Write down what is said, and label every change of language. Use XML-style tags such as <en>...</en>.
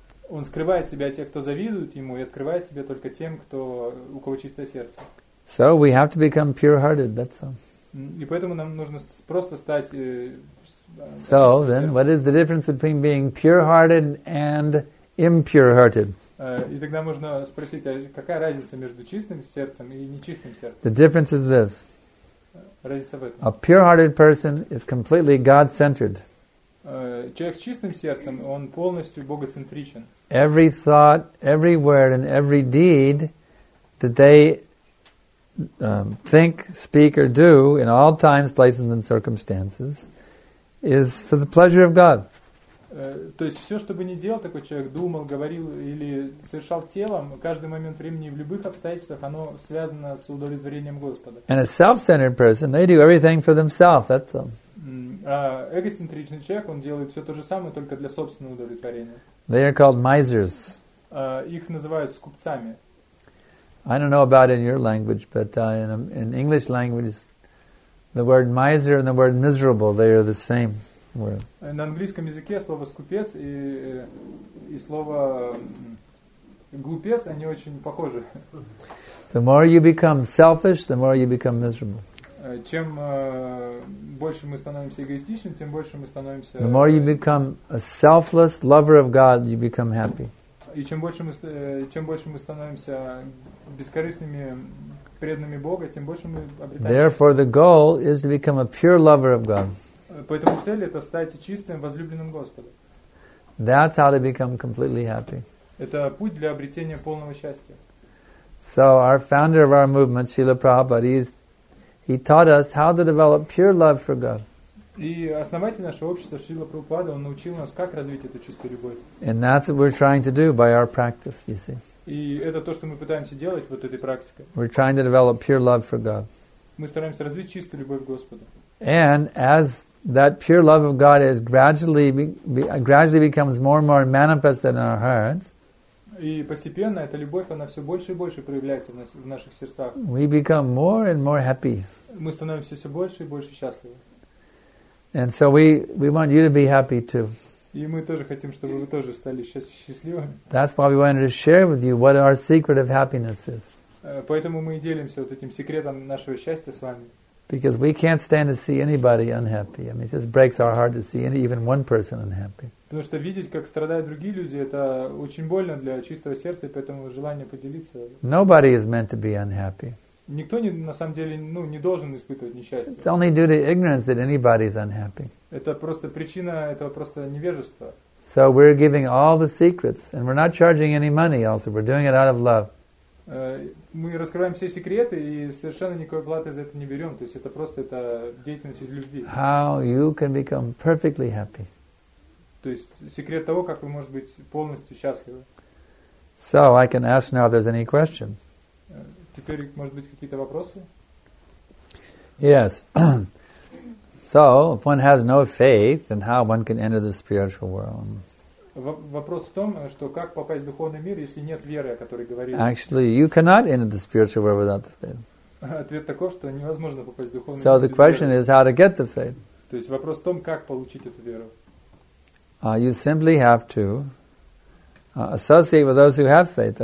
<ru>Он скрывает себя тем, кто завидует ему, и открывает себя только тем, кто у кого чистое сердце.</ru> <en>So we have to become pure-hearted. That's all.</en> <ru>И поэтому нам нужно просто стать.</ru> <en>So then, what is the difference between being pure-hearted and impure-hearted?</en> <ru>И тогда можно спросить, а какая разница между чистым сердцем и нечистым сердцем?</ru> <en>The difference is this.</en> <ru>Разница в этом.</ru> <en>A pure-hearted person is completely God-centered.</en> <ru>Человек с чистым сердцем, он полностью богоцентричен.</ru> <en>Every thought, every word, and every deed that they think, speak, or do in all times, places, and circumstances is for the pleasure of God.</en> <ru>То есть все, что бы ни делал такой человек, думал, говорил или совершал телом, каждый момент времени в любых обстоятельствах, оно связано с удовлетворением Господа.</ru> <en>And a self-centered person, they do everything for themselves. That's all.</en> <ru>А эгоцентричный человек, он делает все то же самое, только для собственного удовлетворения.</ru> <en>They are called misers.</en> <ru>Их называют скупцами.</ru> <en>I don't know about it in your language, but in English language, the word miser and the word miserable, they are the same word.</en> <ru>На английском языке слово скупец и слово глупец, они очень похожи.</ru> <en>The more you become selfish, the more you become miserable.</en> <ru>Чем больше мы становимся эгоистичны, тем больше мы становимся...</ru> <en>The more you become a selfless lover of God, you become happy.</en> <ru>И чем больше мы становимся бескорыстными, преданными Бога, тем больше мы обретаем...</ru> <en>Therefore, the goal is to become a pure lover of God.</en> <ru>Поэтому цель — это стать чистым, возлюбленным Господом.</ru> <en>That's how to become completely happy.</en> <ru>Это путь для обретения полного счастья.</ru> <en>So, our founder of our movement, Srila Prabhupada, He taught us how to develop pure love for God.</en> <ru>И основатель нашего общества Шрила Прабхупада, он научил нас, как развить эту чистую любовь.</ru> <en>And that's what we're trying to do by our practice, you see.</en> <ru>И это то, что мы пытаемся делать вот этой практикой.</ru> <en>We're trying to develop pure love for God.</en> <ru>Мы стараемся развить чистую любовь к Господу.</ru> <en>And as that pure love of God is gradually becomes more and more manifested in our hearts,</en> <ru>и постепенно эта любовь, она все больше и больше проявляется в наших сердцах.</ru> <en>We become more and more happy.</en> <ru>Мы становимся все больше и больше счастливы.</ru> <en>And so we want you to be happy too.</en> <ru>И мы тоже хотим, чтобы вы тоже стали счастливыми.</ru> <en>That's why we wanted to share with you what our secret of happiness is.</en> <ru>Поэтому мы и делимся вот этим секретом нашего счастья с вами.</ru> <en>Because we can't stand to see anybody unhappy. I mean, it just breaks our heart to see even one person unhappy.</en> <ru>Потому что видеть, как страдают другие люди, это очень больно для чистого сердца, поэтому желание поделиться.</ru> <en>Nobody is meant to be unhappy.</en> <ru>Никто на самом деле, не должен испытывать несчастье.</ru> <en>It's only due to ignorance that anybody is unhappy.</en> <ru>Это просто причина этого просто невежества.</ru> <en>So we're giving all the secrets, and we're not charging any money. Also, we're doing it out of love.</en> <ru>Мы раскрываем все секреты и совершенно никакой платы за это не берем. То есть это просто деятельность из любви.</ru> <en>How you can become perfectly happy.</en> <ru>То есть секрет того, как вы можете быть полностью счастливы.</ru> <en>So I can ask now if there's any question.</en> <ru>Теперь, может быть, какие-то вопросы?</ru> <en>Yes. So if one has no faith, then how one can enter the spiritual world?</en> <ru>Вопрос в том, что как попасть в духовный мир, если нет веры, о которой говорили.</ru> <en>Actually, you cannot enter the spiritual world without the faith.</en> <ru>Ответ такой, что невозможно попасть в духовный мир.</ru> <en>So the question is how to get the faith.</en> <ru>То есть вопрос в том, как получить эту веру.</ru> <en>You simply have to associate with those who have faith.</en>